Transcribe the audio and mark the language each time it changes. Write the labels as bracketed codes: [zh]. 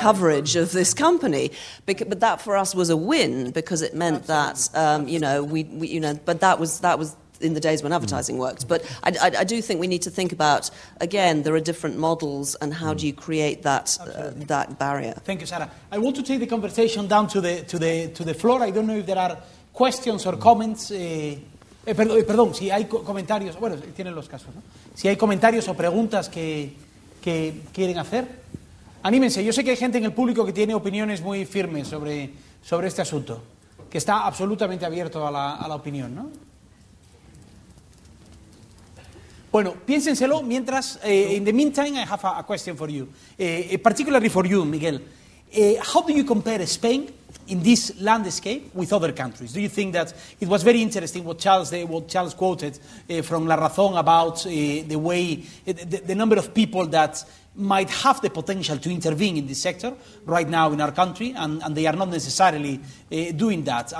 [en] coverage of this company. But that for us was a win, because it meant that in the days when advertising worked. But I do think we need to think about, again, there are different models, and how do you create that that barrier? Thank you, Sarah. I want to take the conversation down to the floor. I don't know if there are questions or comments. [es] Perdón, si hay comentarios. Bueno, tienen los casos, ¿no? Si hay comentarios o preguntas que quieren hacer, anímense. Yo sé que hay gente en el público que tiene opiniones muy firmes sobre este asunto, que está absolutamente abierto a la opinión, ¿no? Bueno, piénsenselo mientras, [en] in the meantime, I have a question for you. Particularly for you, Miguel. How do you compare Spain in this landscape with other countries? Do you think that it was very interesting what Charles quoted from La Razón about the way, the number of people that might have the potential to intervene in this sector right now in our country, and they are not necessarily doing that.